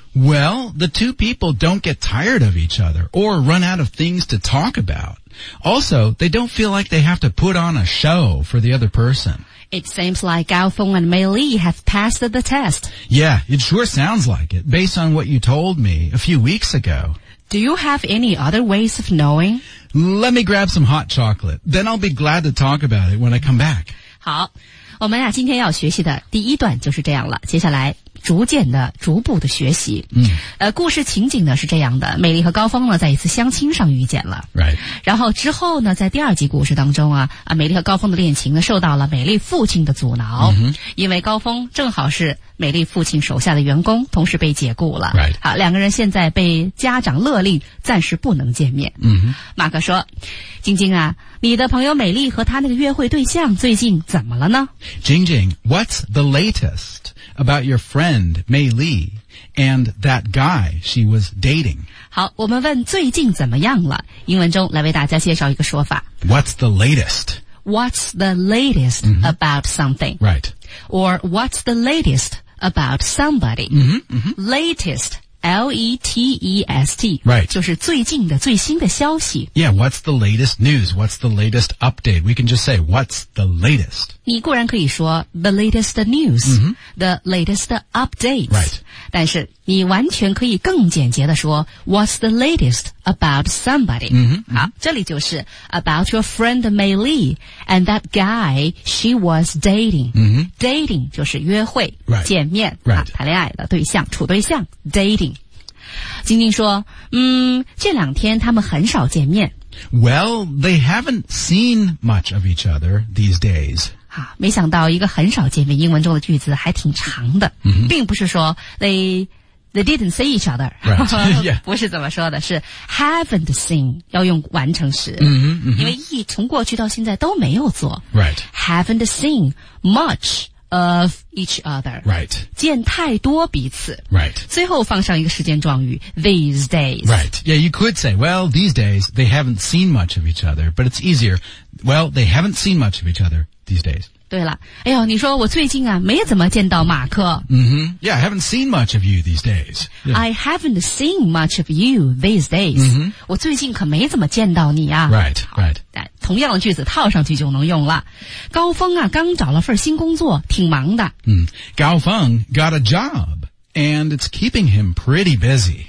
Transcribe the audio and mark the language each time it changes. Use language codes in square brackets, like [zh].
[en] Well, the two people don't get tired of each other or run out of things to talk about. Also, they don't feel like they have to put on a show for the other person. It seems like Gaofeng and Mei Li have passed the test. Yeah, it sure sounds like it, based on what you told me a few weeks ago. Do you have any other ways of knowing? Let me grab some hot chocolate. Then I'll be glad to talk about it when I come back. [zh] 好，我们俩今天要学习的第一段就是这样了。接下来逐渐的逐步的学习。嗯。故事情景呢是这样的。美丽和高峰呢在一次相亲上遇见了。 [en] Right. [zh] 然后之后呢在第二集故事当中啊美丽和高峰的恋情呢受到了美丽父亲的阻挠。 Mm-hmm. 因为高峰正好是美丽父亲手下的员工同时被解雇了。 [en] Right. [zh] 好两个人现在被家长勒令暂时不能见面。嗯、mm-hmm.。马克说晶晶啊你的朋友美丽和他那个约会对象最近怎么了呢 [en] 晶晶 ,what's the latest? About your friend, Mei Li, and that guy she was dating. [zh] 好,我们问最近怎么样了?英文中来为大家介绍一个说法。 [en] What's the latest? What's the latest、mm-hmm. about something? Right. Or what's the latest about somebody? Mm-hmm, mm-hmm. Latest, L-E-T-E-S-T. Right. [zh] 就是最近的,最新的消息。 [en] Yeah, what's the latest news? What's the latest update? We can just say, what's the latest? [zh] 你固然可以说 [en] the latest news,、 mm-hmm. the latest updates,、 right. [zh] 但是你完全可以更简洁地说 [en] what's the latest about somebody.、 Mm-hmm. [zh] 好这里就是 [en] about your friend Mei Li and that guy she was dating.、 Mm-hmm. [zh] Dating 就是约会、 [en] right. [zh] 见面、 [en] right. [zh] 啊、谈恋爱的对象处对象 dating. 晶晶说这两天他们很少见面。 [en] Well, they haven't seen much of each other these days. [zh] 没想到一个很少见面英文中的句子还挺长的、 mm-hmm. 并不是说 [en] they didn't see each other、 right. yeah. [zh] 不是怎么说的是 [en] haven't seen [zh] 要用完成时、 mm-hmm. 因为 he 从过去到现在都没有做、 [en] right. haven't seen much of each other、 right. [zh] 见太多彼此、 [en] right. [zh] 最后放上一个时间状语 [en] these days、 right. yeah, you could say well these days they haven't seen much of each other but it's easier well they haven't seen much of each otherThese days. [zh] 对了，哎呦，你说我最近啊，没怎么见到马克。 Mm-hmm. [en] Yeah, I haven't seen much of you these days.、Yeah. I haven't seen much of you these days.、 Mm-hmm. [zh] 我最近可没怎么见到你啊。 [en] Right, right. [zh] 同样的句子套上去就能用了。高峰啊，刚找了份新工作，挺忙的。 [en] 高峰 got a job, and it's keeping him pretty busy.